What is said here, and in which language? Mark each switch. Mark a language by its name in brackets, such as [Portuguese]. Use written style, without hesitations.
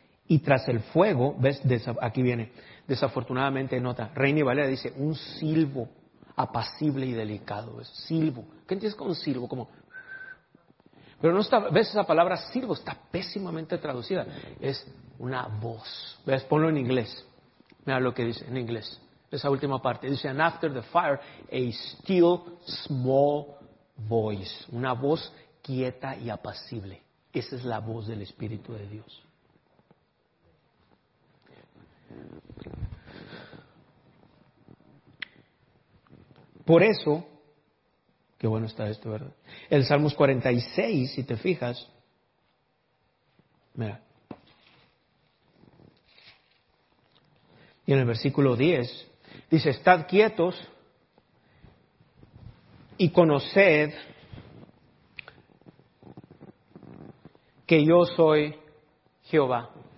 [Spanish] Y tras el fuego, ves, aquí viene, desafortunadamente nota, Reina y Valera dice, un silbo apacible y delicado, ¿ves? Silbo. ¿Qué entiendes con silbo? Como, pero no está, ves, esa palabra silbo está pésimamente traducida. Es una voz. Ves, ponlo en inglés. Mira lo que dice en inglés. Esa última parte. Dice, [English] and after the fire, a still small voice. [Spanish] Una voz quieta y apacible. Esa es la voz del Espíritu de Dios. Por eso, qué bueno está esto, ¿verdad? El Salmos 46, si te fijas, mira, y en el versículo 10, dice, estad quietos y conoced que yo soy Jehová.